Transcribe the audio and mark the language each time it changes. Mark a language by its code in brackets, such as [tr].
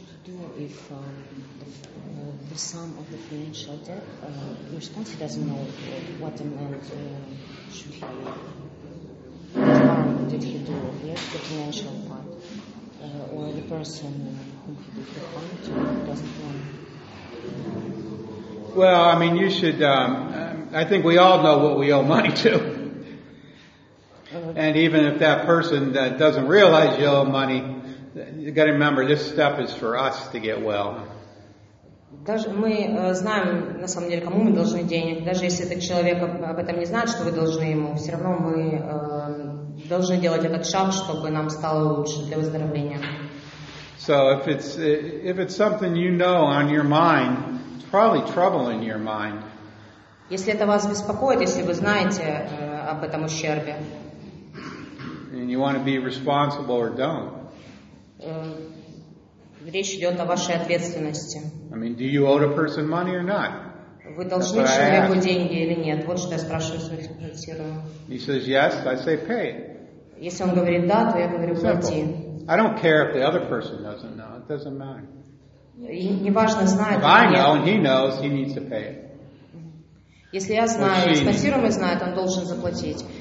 [en] The sum of the financial debt, your sponsor doesn't know what amount should he, what harm did he do, yes, the financial part, or the person whom he did the harm to doesn't know. Well, I mean, you should, I think we all know what we owe money to. And even if that person that doesn't realize you owe money, you got to remember, this step is for us to get well. [ru] Мы знаем, на самом деле, кому мы должны денег. Даже если этот человек об этом не знает, что вы должны ему, все равно мы должны делать этот шаг, чтобы нам стало лучше для выздоровления. [en] So if it's something you know on your mind, it's probably trouble in your mind. [ru] Если это вас беспокоит, если вы знаете об этом ущербе. [en] And you want to be responsible or don't. [ru] Речь идет о вашей ответственности. [en] I mean, do you owe the person money or not? [ru] Вы должны человеку деньги или нет? Вот что я спрашиваю своих спонсоров. [en] He says yes, I say pay. [ru] Если он говорит да, то я говорю плати. [en] I don't care if the other person doesn't know. It doesn't matter. [ru] Не важно, знает [en] If I know and he knows, he needs to pay. [ru] Если я знаю, спонсируемый знает, он должен заплатить.